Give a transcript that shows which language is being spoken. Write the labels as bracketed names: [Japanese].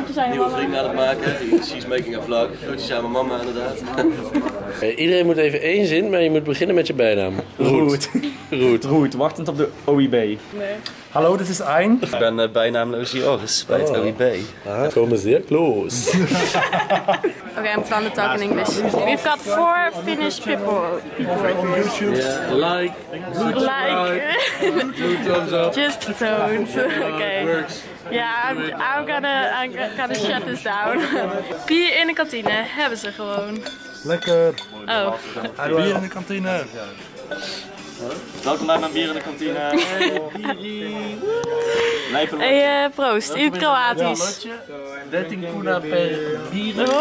[Dutch] Nieuwe vrienden aan het maken. [English] She's making a vlog. [Dutch] Groetjes aan mijn mama, inderdaad. Iedereen moet even één zin, maar je moet beginnen met je bijnaam. Roet. Roet. Roet, wachtend op de OIB. Nee. Hallo, dit is Ein. Ik ben bijnaamloos Joris bij het OIB. We komen zeer close. [English] Oké, I'm from the talk in English. We've got 4 Finnish people. On YouTube. Yeah, like. Thumbs up. Just don't. Okay. Yeah, I'm gonna shut this down. [Dutch] Bier in de kantine, hebben ze gewoon. Lekker. Oh. Bier in de kantine. Welkom bij mijn bier in de kantine. Hey, proost. In het Kroatisch. 13 kuna per bier.